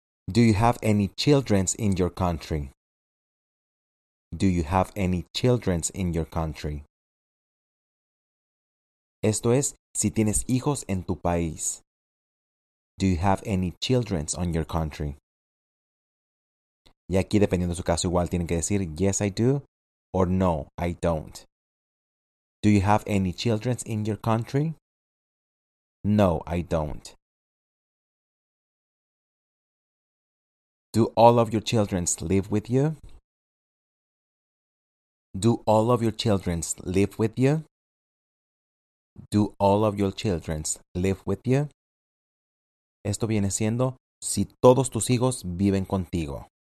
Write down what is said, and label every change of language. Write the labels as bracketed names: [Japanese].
[English] Do you have any children in your country? Do you have any children in your country? [Spanish] Esto es, si tienes hijos en tu país. [English] Do you have any children on your country? [Spanish] Y aquí, dependiendo de su caso, igual tienen que decir, [English] yes, I do, or no, I don't. Do you have any children in your country? No, I don't. Do all of your children live with you? Do all of your children live with you? Do all of your children live with you? [Spanish] Esto viene siendo si todos tus hijos viven contigo.